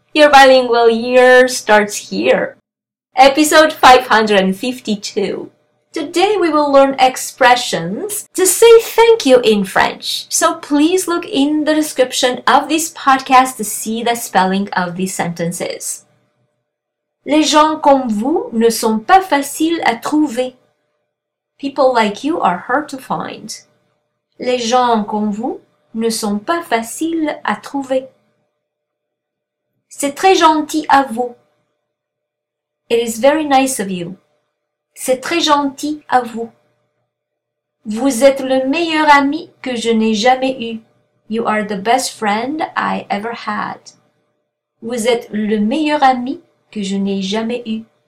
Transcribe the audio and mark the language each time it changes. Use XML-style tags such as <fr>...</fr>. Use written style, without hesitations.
<en>Your bilingual year starts here. Episode 552. Today we will learn expressions to say thank you in French. So please look in the description of this podcast to see the spelling of these sentences.</en> <fr>Les gens comme vous ne sont pas faciles à trouver.</fr> <en>People like you are hard to find.</en> <fr>Les gens comme vous ne sont pas faciles à trouver. C'est très gentil à vous.</fr> <en>It is very nice of you.</en> <fr>C'est très gentil à vous. Vous êtes le meilleur ami que je n'ai jamais eu.</fr> <en>You are the best friend I ever had.</en> <fr>Vous êtes le meilleur ami que je n'ai jamais eu.</fr>